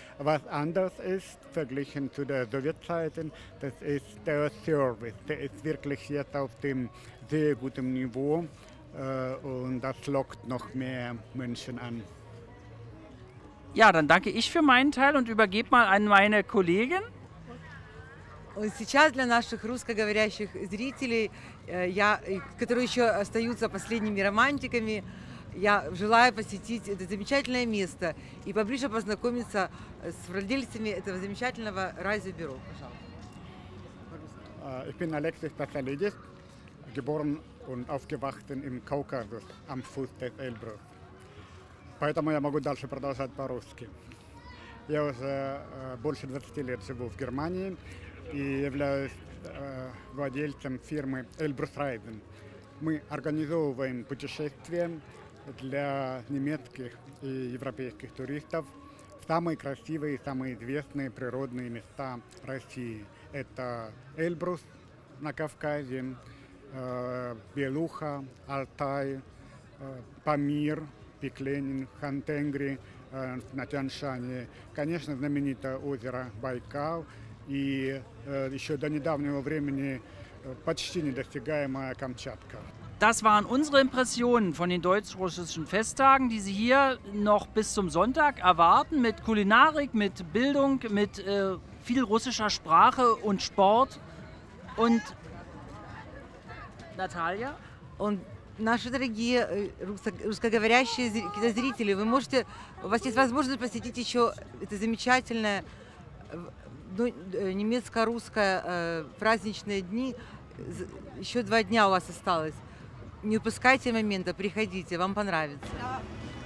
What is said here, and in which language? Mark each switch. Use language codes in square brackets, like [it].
[de] Was anders ist, verglichen zu der Sowjetzeit, das ist der Service. Der ist wirklich jetzt auf dem sehr guten Niveau und das lockt noch mehr Menschen an. Ja, dann danke ich für meinen Teil und übergebe mal an meine Kollegin. Und [ru] сейчас для наших русскоговорящих зрителей, я, которые еще остаются последними романтиками, я желаю посетить это замечательное место и поближе познакомиться с владельцами этого замечательного райзе-бюро, пожалуйста. [de] Ich bin Alexis Pasalidis, geboren und aufgewachsen im Kaukasus am Fuß des Elbrus. [ru] Поэтому я могу дальше продолжать по-русски. Я уже больше 20 лет живу в Германии и являюсь владельцем фирмы Elbrus Reisen. Мы организовываем путешествия для немецких и европейских туристов в самые красивые и самые известные природные места России. Это Эльбрус на Кавказе, Белуха, Алтай, Памир, Пиклянин, Хантенгри, на Тяньшане. Конечно, знаменитое озеро Байкал и еще до недавнего времени почти недостигаемая Камчатка. [de] Das waren unsere Impressionen von den deutsch-russischen Festtagen, die Sie hier noch bis zum Sonntag erwarten, mit Kulinarik, mit Bildung, mit viel russischer Sprache und Sport. Und Natalia? Und [ru] наши дорогие русскоговорящие зрители, вы можете, у вас есть возможность посетить еще это замечательное немецко-русское праздничные дни. Еще два дня у вас осталось. Не упускайте момента, приходите, вам понравится.